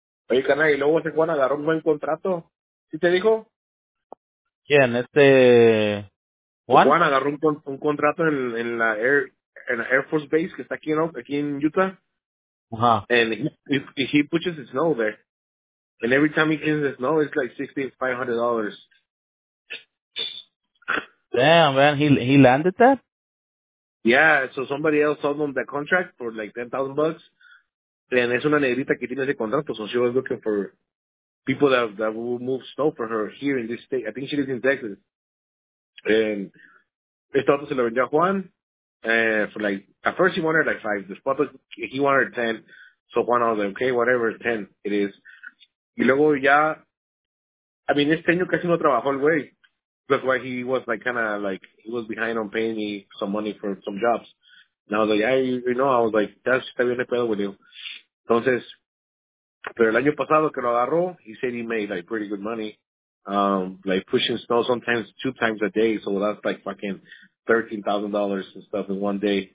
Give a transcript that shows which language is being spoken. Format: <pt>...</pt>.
<es>Oye, canal, y luego ese Juan agarró un buen contrato. ¿Sí te dijo? ¿Quién? ¿Este Juan? Juan agarró un contrato en la Air Force Base que está aquí, ¿no? Aquí en Utah. Ajá.</es> <en>And he pushes the snow there. And every time he gets the snow, it's like $6,500. Damn, man. He landed that? Yeah, so somebody else sold him the contract for like $10,000. And</en> <es>es una negrita que tiene ese contrato,</es> <en>so she was looking for people that will move snow for her here in this state. I think she lives in Texas. And</en> <es>esta otra se la vendió a Juan.</es> <en>For like, at first he wanted like 5. This puto, he wanted 10. So Juan was like, okay, whatever, 10 it is.</en> <es>Y luego ya,</es> <en>I mean,</en> <es>este año casi no trabajó el güey.</es> <en>That's why he was like kind of like, he was behind on paying me some money for some jobs. And I was like, yeah, you know, I was like, that's</en> <es>está bien de pedo, güey. Entonces, pero el año pasado que lo agarró,</es> <en>he said he made like pretty good money. Like pushing snow sometimes 2 times a day. So that's like fucking $13,000 and stuff in one day.</en>